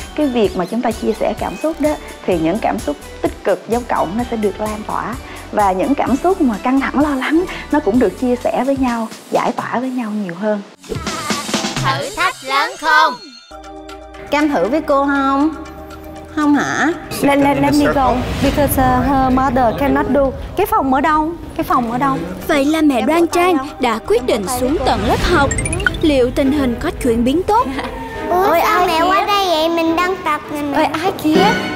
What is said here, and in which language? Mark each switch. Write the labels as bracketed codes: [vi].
[vi] Cái việc mà chúng ta chia sẻ cảm xúc đó, thì những cảm xúc tích cực giống cộng nó sẽ được lan tỏa, và những cảm xúc mà căng thẳng lo lắng nó cũng được chia sẻ với nhau, giải tỏa với nhau nhiều hơn. Thử thách lớn không? Cam thử với cô không? Không hả? [en] Let me go because her mother cannot do. [vi] Cái phòng ở đâu? Cái phòng ở đâu? Vậy là mẹ Đoan Trang đã quyết định xuống tận lớp học. Liệu tình hình có chuyển biến tốt? Ủa, ôi sao ai mẹ kia? Qua đây vậy? Mình đang tập nè mẹ. Ôi ai kia?